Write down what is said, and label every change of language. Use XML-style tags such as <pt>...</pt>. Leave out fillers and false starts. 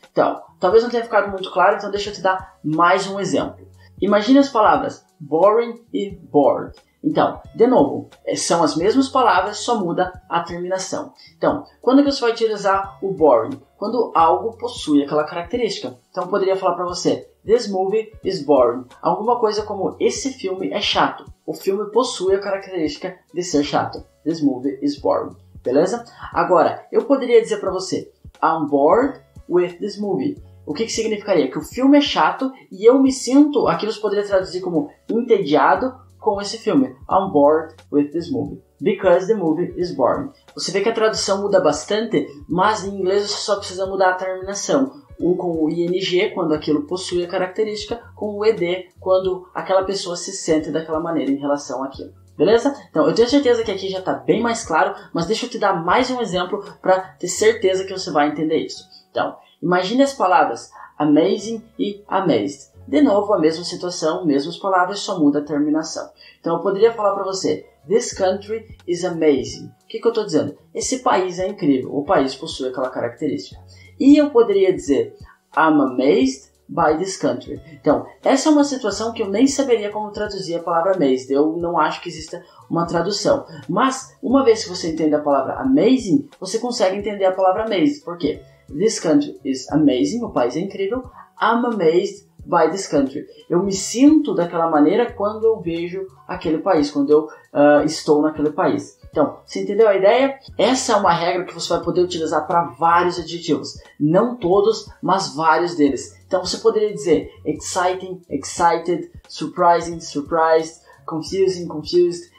<pt>Então, talvez não tenha ficado muito claro, então deixa eu te dar mais um exemplo. Imagine as palavras boring e bored. Então, de novo, são as mesmas palavras, só muda a terminação. Então, quando que você vai utilizar o boring? Quando algo possui aquela característica. Então, eu poderia falar para você,</pt> <en>this movie is boring.</en> <pt>Alguma coisa como, esse filme é chato. O filme possui a característica de ser chato.</pt> <en>This movie is boring.</en> <pt>Beleza? Agora, eu poderia dizer para você,</pt> <en>I'm bored with this movie.</en> <pt>O que significaria? Que o filme é chato e eu me sinto, aquilo se poderia traduzir como entediado com esse filme.</pt> <en>I'm bored with this movie. Because the movie is boring.</en> <pt>Você vê que a tradução muda bastante, mas em inglês você só precisa mudar a terminação. Um com o ing, quando aquilo possui a característica, com o ed, quando aquela pessoa se sente daquela maneira em relação àquilo. Beleza? Então, eu tenho certeza que aqui já está bem mais claro, mas deixa eu te dar mais um exemplo para ter certeza que você vai entender isso. Então, imagine as palavras amazing e amazed. De novo, a mesma situação, mesmas palavras, só muda a terminação. Então, eu poderia falar para você,</pt> <en>this country is amazing.</en> <pt>O que eu estou dizendo? Esse país é incrível, o país possui aquela característica. E eu poderia dizer,</pt> <en>I'm amazed by this country. Então, essa é uma situação que eu nem saberia como traduzir a palavra amazed. Eu não acho que exista uma tradução. Mas, uma vez que você entende a palavra amazing, você consegue entender a palavra amazed. Por quê? This country is amazing,</en> <pt>o país é incrível.</pt> <en>I'm amazed by this country.</en> <pt>Eu me sinto daquela maneira quando eu vejo aquele país, quando eu estou naquele país. Então, você entendeu a ideia? Essa é uma regra que você vai poder utilizar para vários adjetivos. Não todos, mas vários deles. Então, você poderia dizer exciting, excited, surprising, surprised, confusing, confused.</pt>